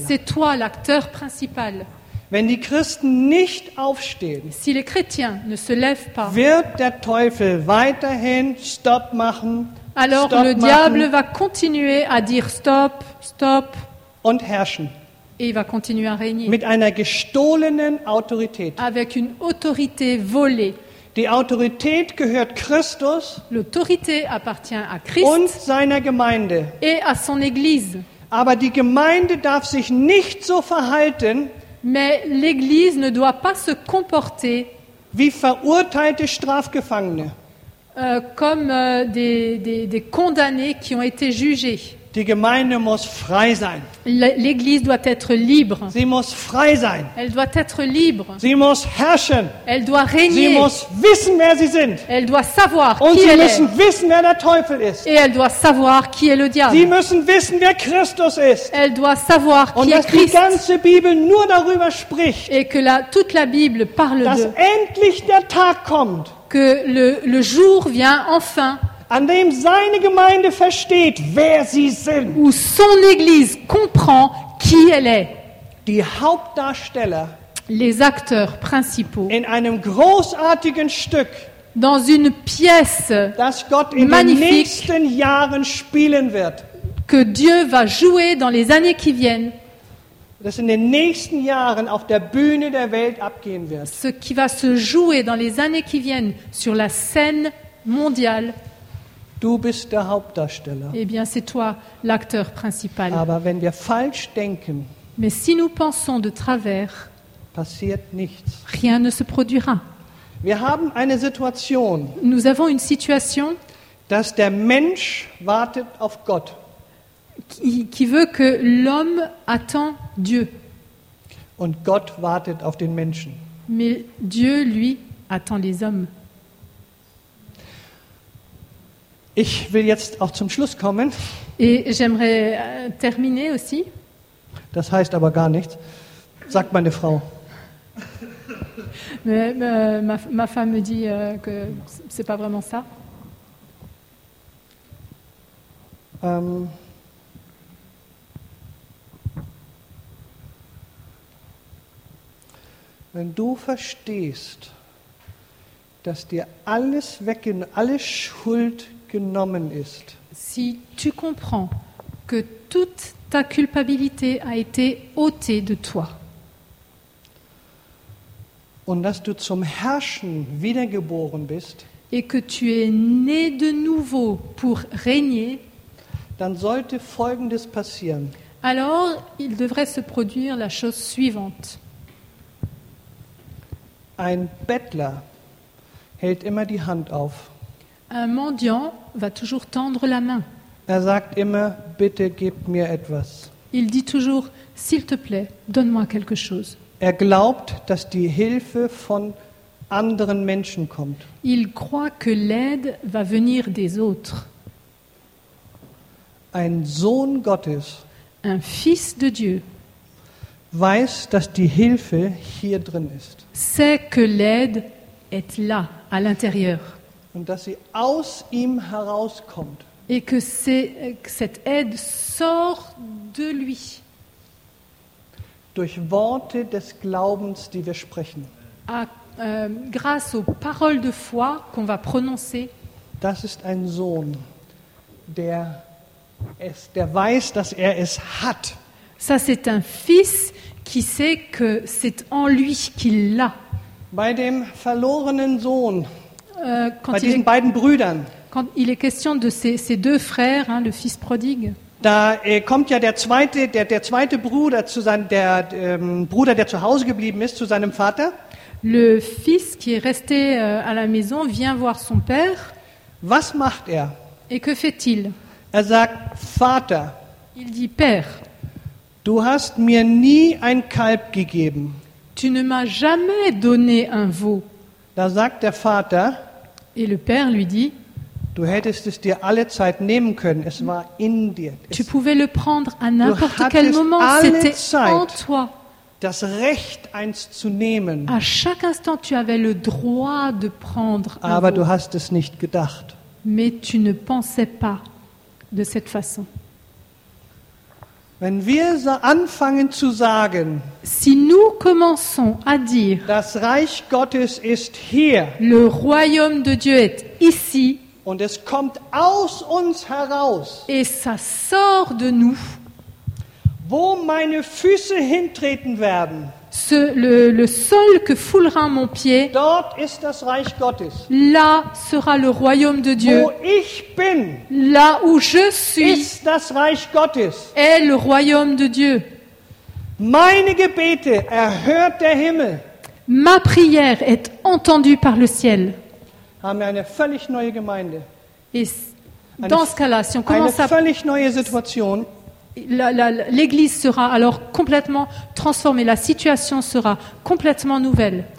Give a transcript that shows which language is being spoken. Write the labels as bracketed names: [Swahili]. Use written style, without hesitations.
[French] C'est toi l'acteur principal. [German] Wenn die Christen nicht aufstehen, [French] si les chrétiens ne se lèvent pas, [German] wird der Teufel weiterhin stop machen. [French] Alors [German] stop [French] le diable machen, va continuer à dire stop, stop [German] und herrschen. [French] Et il va continuer à régner. [German] Mit einer gestohlenen Autorität. [French] Avec une autorité volée. [German] Die Autorität gehört Christus. [French] L'autorité appartient à Christ [German] und seiner Gemeinde. [French] Et à son Église. [German] Aber die Gemeinde darf sich nicht so verhalten. [French] Mais l'Église ne doit pas se comporter [German] wie verurteilte Strafgefangene. [French] Comme des condamnés qui ont été jugés. [German] Die Gemeinde muss frei sein. [French] L'Église doit être libre. [German] Sie muss frei sein. [French] Elle doit être libre. [German] Sie muss herrschen. [French] Elle doit régner. [German] Sie muss wissen, wer sie sind. [French] Elle doit savoir [German] und [French] qui [German] sie [French] elle [German] müssen [French] est. [German] Wissen, wer der Teufel ist. [French] Et elle doit savoir qui est le diable. [German] Sie müssen wissen, wer Christus ist. [French] Elle doit savoir [German] und [French] qui est Christ. [German] Und dass die ganze Bibel nur darüber spricht. [French] Et que toute la Bible parle [German] dass [French] de. [German] Dass endlich der Tag kommt. [French] Que le jour vient enfin. [German] An dem seine Gemeinde versteht, wer sie sind. [French] Où son Église comprend qui elle est. [German] Die Hauptdarsteller. [French] Les acteurs principaux. [German] In einem großartigen Stück. [French] Dans une pièce. [German] Das Gott in [French] magnifique, [German] den nächsten Jahren spielen wird. [French] Que Dieu va jouer dans les années qui viennent. [German] Das in den nächsten Jahren auf der Bühne der Welt abgehen wird. [French] Ce qui va se jouer dans les années qui viennent sur la scène mondiale. [German] Du bist der Hauptdarsteller. [French] Eh bien, c'est toi l'acteur principal. [German] Aber wenn wir falsch denken, [French] mais si nous pensons de travers, [German] passiert nichts. [French] Rien ne se produira. [German] Wir haben eine Situation, [French] nous avons une situation, [German] dass der Mensch wartet auf Gott. [French] Qui veut que l'homme attend Dieu. [German] Und Gott wartet auf den Menschen. [French] Mais Dieu, lui, attend les hommes. [German] Ich will jetzt auch zum Schluss kommen. [French] Et j'aimerais terminer aussi. [German] Das heißt aber gar nichts, sagt meine Frau. [French] Ma femme me dit que c'est pas vraiment ça. [German] Wenn du verstehst, dass dir alles weggenommen, alle Schuld genommen ist. [French] Si tu comprends que toute ta culpabilité a été ôtée de toi. [German] Und dass du zum Herrschen wiedergeboren bist. [French] Et que tu es né de nouveau pour régner. [German] Dann sollte Folgendes passieren. [French] Alors, il devrait se produire la chose suivante. [German] Ein Bettler hält immer die Hand auf. [French] Un mendiant va toujours tendre la main. [German] Er sagt immer, bitte gib mir etwas. [French] Il dit toujours, s'il te plaît, donne-moi quelque chose. [German] Er glaubt, dass die Hilfe von anderen Menschen kommt. [French] Il croit que l'aide va venir des autres. [German] Ein Sohn Gottes, [French] un fils de Dieu, [German] weiß, dass die Hilfe hier drin ist. [French] Sait que l'aide est là, à l'intérieur. [German] Und dass sie aus ihm herauskommt. [French] Et que c'est, cette aide sort de lui. [German] Durch Worte des Glaubens, die wir sprechen. [French] Grâce aux paroles de foi qu'on va prononcer. [German] Das ist ein Sohn, der weiß, dass er es hat. [French] Ça, c'est un fils qui sait que c'est en lui qu'il l'a. [German] Bei dem verlorenen Sohn, bei diesen beiden Brüdern, [French] quand il est question de ces deux frères, hein, le fils prodigue, [German] da kommt ja der zweite Bruder zu seinem, der Bruder, der zu Hause geblieben ist, zu seinem Vater. [French] Le fils qui est resté à la maison vient voir son père. [German] Was macht er? [French] Et que fait-il? [German] Er sagt, Vater, [French] il dit, père, [German] du hast mir nie ein Kalb gegeben. [French] Tu ne m'as jamais donné un veau. [German] Da sagt der Vater, [French] et le père lui dit, [German] du hättest es dir alle Zeit nehmen können, es war in dir. [French] Tu pouvais le prendre à n'importe quel moment, c'était [German] Zeit, [French] en toi. [German] Das Recht, eins zu nehmen. [French] À chaque instant, tu avais le droit de prendre un [German] Aber [French] veau. [German] Du hast es nicht gedacht. [French] Mais tu ne pensais pas de cette façon. [German] Wenn wir anfangen zu sagen, [French] si nous commençons à dire, [German] das Reich Gottes ist hier, [French] le royaume de Dieu est ici, [German] und es kommt aus uns heraus, [French] et ça sort de nous, [German] wo meine Füße hintreten werden, [French] le sol que foulera mon pied, [German] dort ist das Reich Gottes. [French] Là sera le royaume de Dieu. [German] Wo ich bin, [French] là où je suis, [German] ist das Reich Gottes. [French] Est le royaume de Dieu. [German] Meine Gebete erhört der Himmel. [French] Ma prière est entendue par le ciel. [German] Haben wir eine völlig neue Gemeinde. [French] L'église sera alors complètement transformée, la situation sera complètement nouvelle.